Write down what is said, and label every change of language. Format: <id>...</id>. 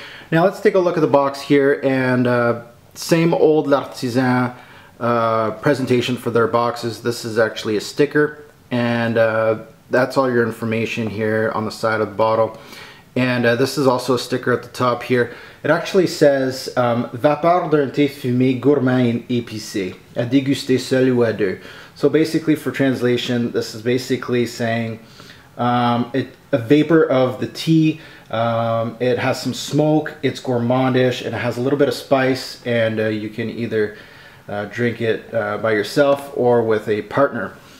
<en>Now let's take a look at the box here, and same old L'Artisan presentation for their boxes. This is actually a sticker, and that's all your information here on the side of the bottle. And this is also a sticker at the top here. It actually says,</en> <fr>Vapeur d'un thé fumé gourmand et épicé, à déguster seul ou à deux.</fr> <en>So basically for translation, this is basically saying, a vapor of the tea, it has some smoke, it's gourmandish, and it has a little bit of spice, and you can either drink it by yourself or with a partner.</en>